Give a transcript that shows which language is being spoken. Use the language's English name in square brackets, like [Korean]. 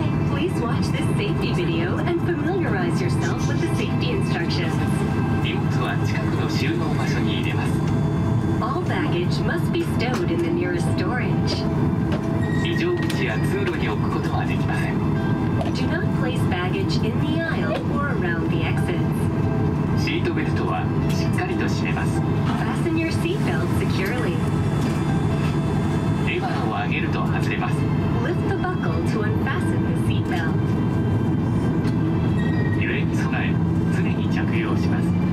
[English] Please watch this safety video and familiarize yourself with the safety instructions. [Japanese] 荷物は近くの収納場所に入れます。 [English] All baggage must be stowed in the nearest storage. [Japanese] 非常口や通路に置くことはできません。 [English] Do not place baggage in the aisle or around the exits. [Japanese] シートベルトはしっかりと締めます。 [English] Fasten your seatbelt securely. [Japanese] レバーを上げると外れます。 [English] Lift the buckle to unfasten the seatbelt. [Japanese] 揺れに備え常に着用します。